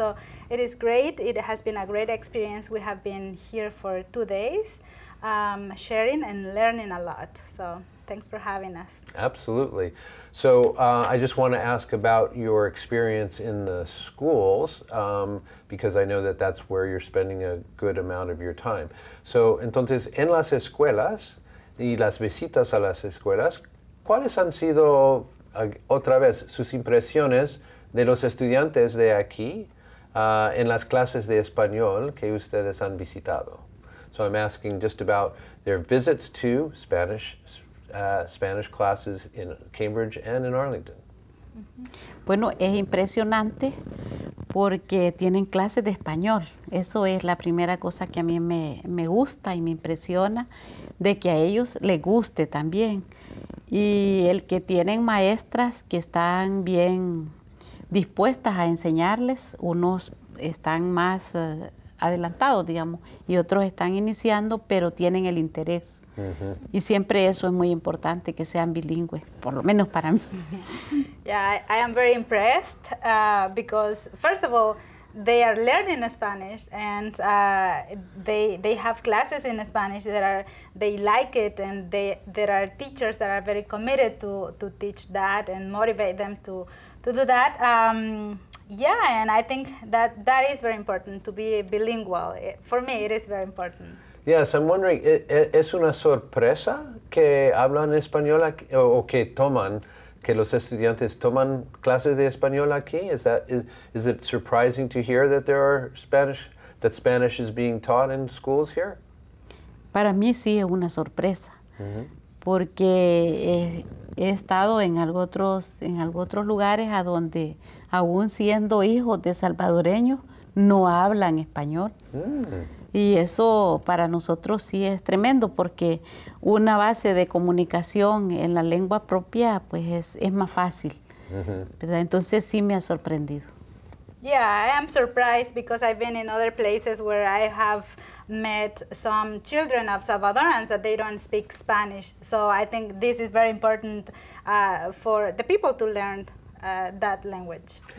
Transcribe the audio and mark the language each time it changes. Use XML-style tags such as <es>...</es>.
<en>So it is great. It has been a great experience. We have been here for 2 days sharing and learning a lot. So thanks for having us. Absolutely. So I just want to ask about your experience in the schools, because I know that that's where you're spending a good amount of your time.</en> <es>So entonces, en las escuelas y las visitas a las escuelas, ¿cuáles han sido, otra vez, sus impresiones de los estudiantes de aquí en las clases de español que ustedes han visitado?</es> <en>So I'm asking just about their visits to Spanish classes in Cambridge and in Arlington.</en> <es>Bueno, es impresionante porque tienen clases de español. Eso es la primera cosa que a mí me gusta y me impresiona, de que a ellos les guste también. Y el que tienen maestras que están bien dispuestas a enseñarles, unos están más adelantados, digamos, y otros están iniciando, pero tienen el interés. Mm-hmm. Y siempre eso es muy importante, que sean bilingües, por lo menos para mí.</es> <en>Yeah, I am very impressed because, first of all, they are learning Spanish, and they have classes in Spanish that are, they like it, and there are teachers that are very committed to teach that and motivate them to do that. Yeah, and I think that is very important, to be bilingual. For me, it is very important. Yes, I'm wondering,</en> <es>¿es una sorpresa que hablan español aquí, o que toman, que los estudiantes toman clases de español aquí?</es> <en>Is it surprising to hear that there are Spanish, that Spanish is being taught in schools here?</en> <es>Para mí sí es una sorpresa, mm-hmm. porque he estado en otros lugares a donde, aún siendo hijos de salvadoreños, no hablan español. Mm. Y eso para nosotros sí es tremendo, porque una base de comunicación en la lengua propia, pues es más fácil. Mm-hmm. Entonces sí me ha sorprendido.</es> <en>Yeah, I am surprised because I've been in other places where I have met some children of Salvadorans that they don't speak Spanish. So I think this is very important for the people to learn that language.</en>